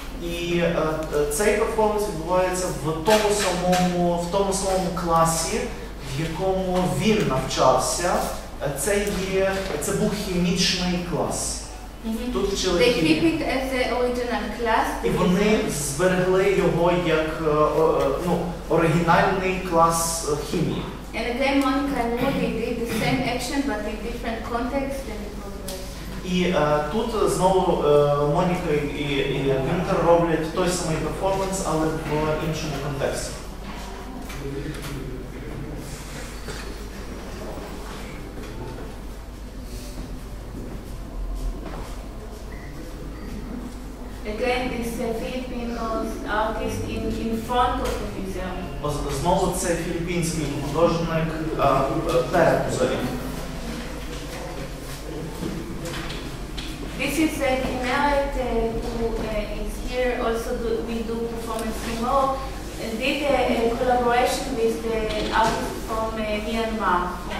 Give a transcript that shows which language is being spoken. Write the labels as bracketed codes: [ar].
[uk] І цей перформанс відбувається в тому самому класі, в якому він навчався. Це був хімічний клас. [en] Mm-hmm. [uk] Тут вчили хімію. [en] They keep it as the original class. [uk] І вони зберегли його як оригінальний клас хімії. [en] And again, Monica and Moody did the same action, but in different context. [uk] І тут знову Моніка і Вінтер роблять той самий перформанс, але в іншому контексті. [en] Again, this Filipino artist in front of the museum. [uk] Знову це філіппінський художник перед музеєм. [en] This is a Kinneret who is here also we do performance in Mo and did a collaboration with the artist from Myanmar.